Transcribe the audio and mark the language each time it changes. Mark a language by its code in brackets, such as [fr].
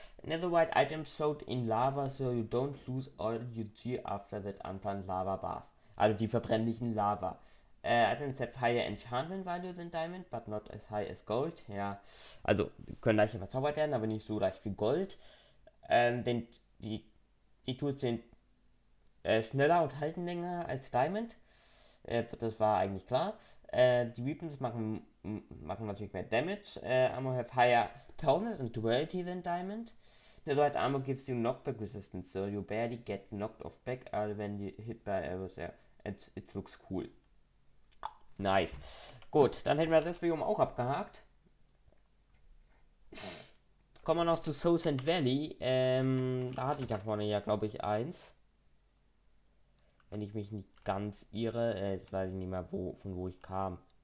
[en] Netherite items float in lava, so you don't lose all your gear after that unplanned lava bath. [de] Also die verbrennlichen Lava. [en] Items have higher enchantment value than diamond, but not as high as gold. [de] Ja, also können leichter verzaubert werden, aber nicht so leicht wie Gold. Denn die Tools sind schneller und halten länger als Diamond. Das war eigentlich klar. Die Weapons machen natürlich mehr Damage. [en] Armor have higher toughness and durability than diamond. Netherite armor gives you knockback resistance, so you barely get knocked off back when you hit by arrows. It looks cool. Nice. [de] Gut, dann hätten wir das Biom auch abgehakt. Kommen wir noch zu Sosand Valley. Da hatte ich da vorne ja, glaube ich, eins. Wenn ich mich nicht ganz irre, jetzt weiß ich nicht mehr, wo, von wo ich kam.